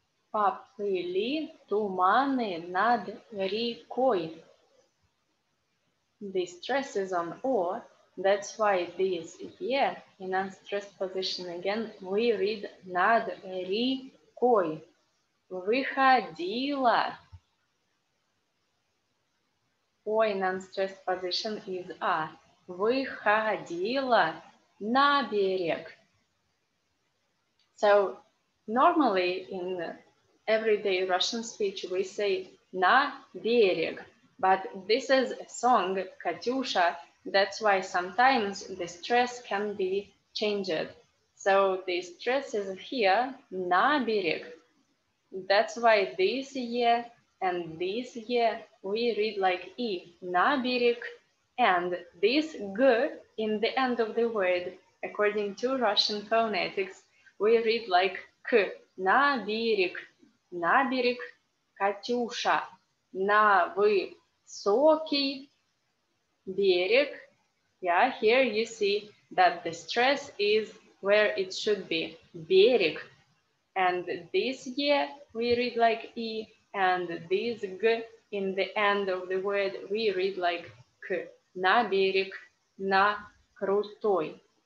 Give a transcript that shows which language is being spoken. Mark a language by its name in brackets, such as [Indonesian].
[Russian] Поплыли туманы над рекой. [English] The stress is on о. That's why this year, in unstressed position again, we read [Russian] над рекой. Выходила. [English] О, in unstressed position is а. [Russian] Выходила на берег. [English] So, normally in everyday Russian speech we say [Russian] на берег. [English] But this is a song, Катюша. That's why sometimes the stress can be changed. So the stress is here, [Russian] на берег. [English] That's why this year and this year we read like и, [Russian] на берег. [English] And this г in the end of the word, according to Russian phonetics, we read like к, [Russian] на берег. На берег, Катюша, на высокий берег. [English] Yeah, here you see that the stress is where it should be. [Russian] Берег. [English] And this year we read like и, and this г in the end of the word we read like к. [Russian] На берег, на крутой.